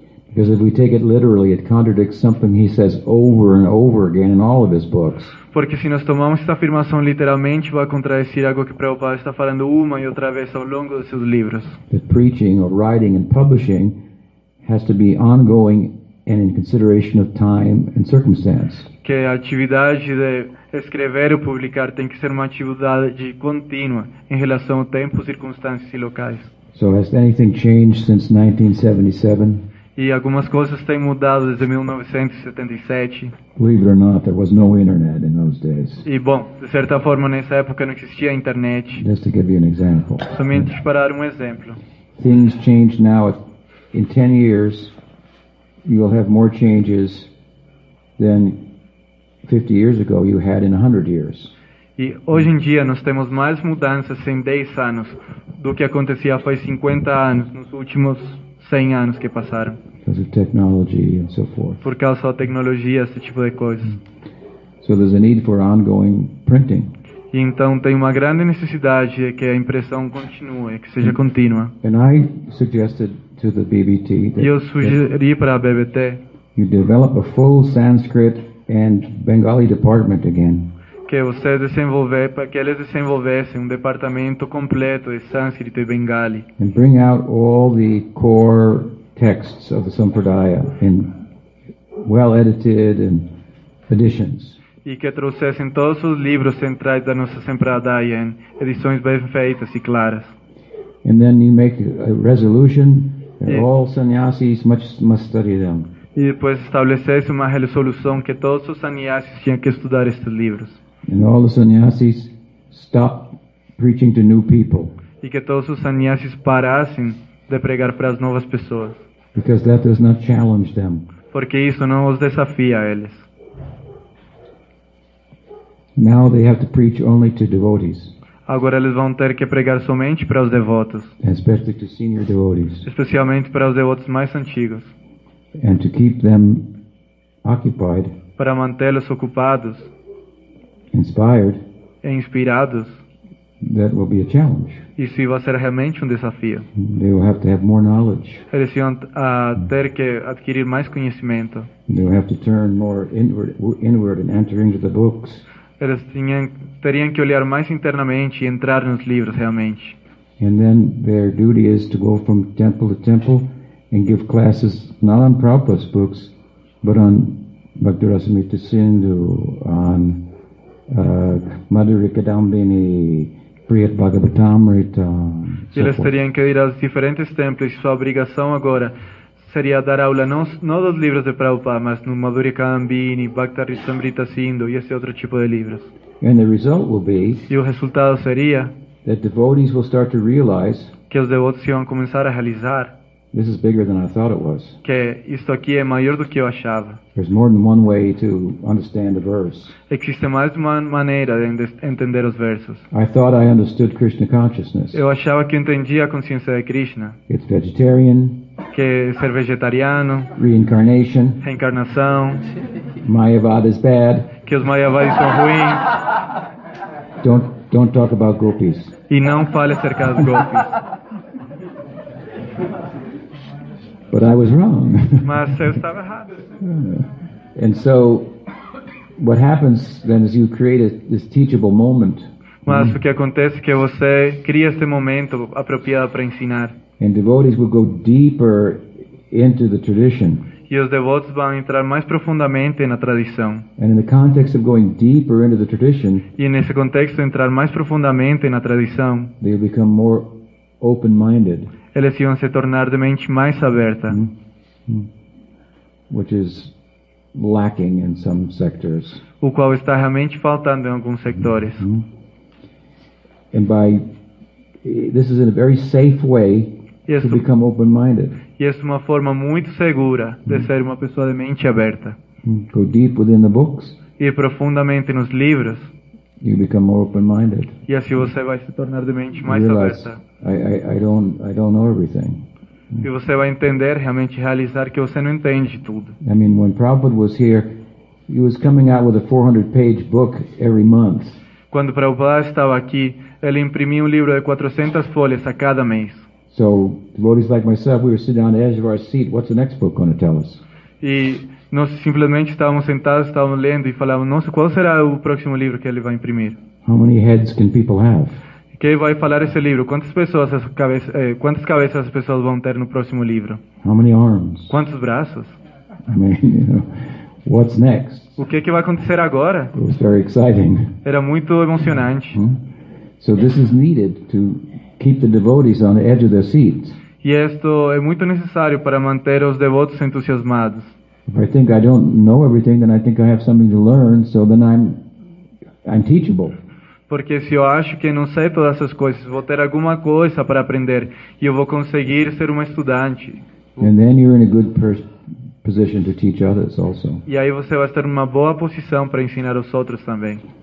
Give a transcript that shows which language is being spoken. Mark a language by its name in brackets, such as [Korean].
[English] Because if we take it literally, it contradicts something he says over and over again in all of his books. [Portuguese] Porque se nós tomamos essa afirmação literalmente, vai contradizer algo que Prabhupada está falando uma e outra vez ao longo dos seus livros. [English] That preaching or writing and publishing has to be ongoing and in consideration of time and circumstance. [Portuguese] Que a atividade de escrever ou publicar tem que ser uma atividade contínua em relação ao tempo, circunstâncias e locais. [English] So has anything changed since 1977? [Portuguese] E algumas coisas têm mudado desde 1977. [English] Believe it or not, there was no internet in those days. [Portuguese] E bom, de certa forma nessa época não existia internet. [English] Just to give you an example. [Portuguese] Somente para dar um exemplo. [English] Things change now in 10 years. You'll have more changes than 50 years ago you had in 100 years. [Portuguese] E hoje em dia nós temos mais mudanças em 10 anos do que acontecia faz 50 anos nos últimos 100 anos que passaram. [English] Because of technology and so forth. [Portuguese] Por causa da tecnologia, esse tipo de coisas. [English] So there's a need for ongoing printing. [Portuguese] E então tem uma grande necessidade de que a impressão continue, que seja contínua. [English] And I suggested to the BBT that, [Portuguese] eu sugeri para a BBT, [English] you develop a full Sanskrit and Bengali department again. [Portuguese] Que você desenvolver, para que eles desenvolvessem departamento completo de sânscrito e bengali. [English] And bring out all the core texts of the Sampradaya in well-edited and editions. [Portuguese] E que trouxessem todos os livros centrais da nossa Sampradaya em edições bem feitas e claras. [English] And then you make a resolution that all sannyasis must study them. [Portuguese] E depois estabelecesse uma resolução que todos os sannyasis tinham que estudar estes livros. [English] And all the sannyasis stop preaching to new people. [Portuguese] E que todos os sannyasis parassem de pregar para as novas pessoas. [English] Because that does not challenge them. [Portuguese] Porque isso não os desafia a eles. [English] Now they have to preach only to devotees. [Portuguese] Agora eles vão ter que pregar somente para os devotos. [English] Especially to senior devotees. [Portuguese] Especialmente para os devotos mais antigos. [English] And to keep them occupied. [Portuguese] Para mantê-los ocupados. [English] Inspired. [Portuguese] E inspirados. [English] That will be a challenge. [Portuguese] Isso vai ser realmente desafio. [English] They will have to have more knowledge. [Portuguese] Eles vão ter que adquirir mais conhecimento. [English] They will have to turn more inward and enter into the books. [Portuguese] Eles teriam que olhar mais internamente e entrar nos livros realmente. [English] And then their duty is to go from temple to temple and give classes not on Prabhupada's books, but on Bhaktirasamrita Sindhu, on Madhurika Dambini, Priyat Bhagavatamrita. [Portuguese] Eles teriam que ir aos diferentes templos. Sua obrigação agora seria dar aula não dos livros de Prabhupada, mas no Madhurika Dambini, Bhaktirasamrita Sindhu e esse outro tipo de livros. [English] And the result will be, [Portuguese] e o resultado seria [English] that devotees will start to realize, [Portuguese] que os devotos iam começar a realizar, [English] this is bigger than I thought it was. [Portuguese] Que isto aqui é maior do que eu achava. [English] There's more than one way to understand a verse. [Portuguese] Existe mais de uma maneira de entender os versos. [English] I thought I understood Krishna consciousness. [Portuguese] Eu achava que entendia a consciência de Krishna. [English] It's vegetarian. [Portuguese] Que ser vegetariano. [English] Reincarnation. [Portuguese] Reencarnação. [English] Mayavada is bad. [Portuguese] Que os mayavadas são ruins. [English] Don't talk about gopis. [Portuguese] E não fale acerca dos gopis. [English] But I was wrong. [Portuguese] Mas eu estava errado. [English] And so, what happens then is you create this teachable moment. [Portuguese] Mas o que acontece é que você cria este momento apropriado para ensinar. [English] And devotees will go deeper into the tradition. [Portuguese] E os devotos vão entrar mais profundamente na tradição. [English] And in the context of going deeper into the tradition. [Portuguese] E nesse contexto entrar mais profundamente na tradição. [English] They become more open-minded. [Portuguese] Eles iam se tornar de mente mais aberta. [English] Which is lacking in some sectors. [Portuguese] O qual está realmente faltando em alguns sectores. [English] And by this is in a very safe way [Portuguese] isso, [English] to become open-minded. [Portuguese] E é uma forma muito segura de ser uma pessoa de mente aberta. [English] Go deep within the books. [Portuguese] Ir profundamente nos livros. [English] You become more open-minded. [Portuguese] E assim você vai se tornar de mente mais aberta. [English] I don't know everything. [Portuguese] E você vai entender, realmente realizar que você não entende tudo. [English] I mean, when Prabhupada was here, he was coming out with a 400-page book every month. [Portuguese] Quando Prabhupada estava aqui, ele imprimia um livro de 400 folhas a cada mês. [English] So, devotees like myself, we were sitting on the edge of our seat. What's the next book going to tell us? [Portuguese] E nós simplesmente estávamos sentados, estávamos lendo e falávamos, nossa, qual será o próximo livro que ele vai imprimir? [English] How many heads can people have? [Portuguese] Quem vai falar esse livro? Quantas cabeças as pessoas vão ter no próximo livro? [English] How many arms? [Portuguese] Quantos braços? [English] I mean, you know, what's next? [Portuguese] O que é que vai acontecer agora? [English] It was very exciting. [Portuguese] Era muito emocionante. [English] So this is needed to keep the devotees on the edge of their seats. [Portuguese] E isto é muito necessário para manter os devotos entusiasmados. [English] If I think I don't know everything, then I think I have something to learn, so then I'm teachable. [Portuguese] Porque se eu acho que não sei todas essas coisas, vou ter alguma coisa para aprender e eu vou conseguir ser um estudante. [English] And then you're in a good position to teach others also. [Portuguese] E aí você vai estar numa boa posição para ensinar os outros também.